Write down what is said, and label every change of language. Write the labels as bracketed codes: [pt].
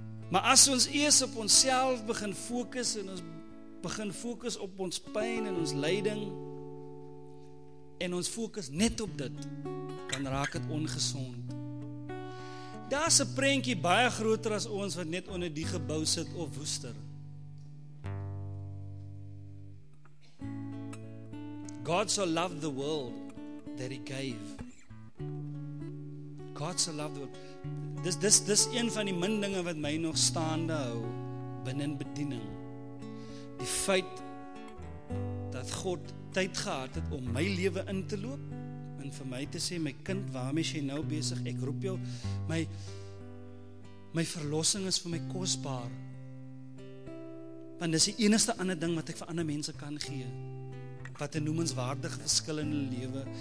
[af] Maar as ons eers op onsself begin fokus en ons begin fokus op ons pyn en ons lyding en ons fokus net op dit, dan raak het ongesond. Daar is 'n prentjie baie groter as ons wat net onder die gebou sit of woester. [en] God so loved the world that he gave. God so loved the world. [af] Dis een van die min dinge wat my nog staande hou binnen bediening. Die feit dat God tyd gehad het om my lewe in te loop en vir my te sê, my kind, waarmee is jy nou besig? Ek roep jou, my verlossing is vir my kosbaar. Want dis die enigste ander ding wat ek vir ander mense kan gee, wat 'n noemenswaardige verskil in die lewe.